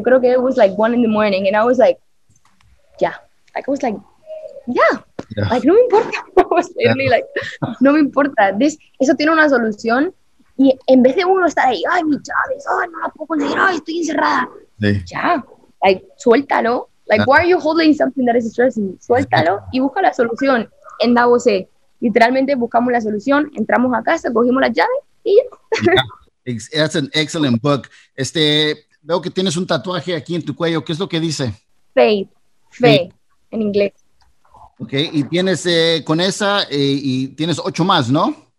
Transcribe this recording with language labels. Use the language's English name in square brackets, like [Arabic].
[Spanish] Yo creo que [English] it was like 1 a.m. and I was like, yeah. Like, I was like, yeah. Yeah. Like, [Spanish] no me importa. [English] Yeah. [Spanish] Like, no me importa. This, eso tiene una solución. Y en vez de uno estar ahí, ay, mis llaves, ay, no la puedo conseguir, ay, estoy encerrada. Sí. Ya. Like, suéltalo. [English] Like, why are you holding something that is stressing? [Spanish] Suéltalo y busca la solución. En la voce. Literalmente buscamos la solución, entramos a casa, cogimos las llaves y ya. [English] Yeah. That's an excellent book. [Spanish] Este, veo que tienes un tatuaje aquí en tu cuello. ¿Qué es lo que dice? Faith. Fe, sí, en inglés. Ok, y tienes con esa y tienes 8 más, ¿no?